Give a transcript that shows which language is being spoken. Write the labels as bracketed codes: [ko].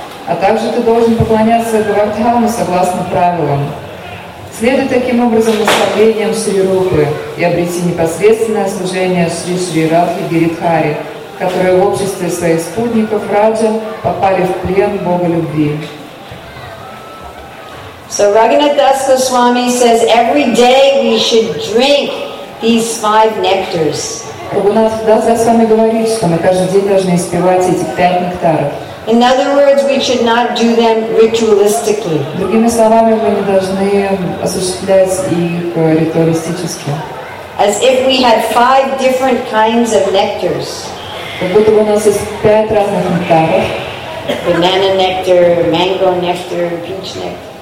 [ru] А также ты должен поклоняться Говардхану согласно правилам. Следуй таким образом наставлениям Шри Рупы и обрети непосредственное служение Шри Шри Радхи Гиридхари, которые в обществе своих спутников Раджа попали в плен Бога любви. [en] So Raghunath Das Goswami says every day we should drink these five nectars. [ru] Raghunath Das Goswami говорит, что мы каждый день должны испивать эти пять нектаров. [en] In other words, we should not do them ritualistically. [ru] Другими словами, мы не должны осуществлять их ритуалистически. [en] As if we had five different kinds of nectars. [ru] Как будто у нас есть пять разных нектаров. [en] Banana nectar, mango nectar, peach nectar.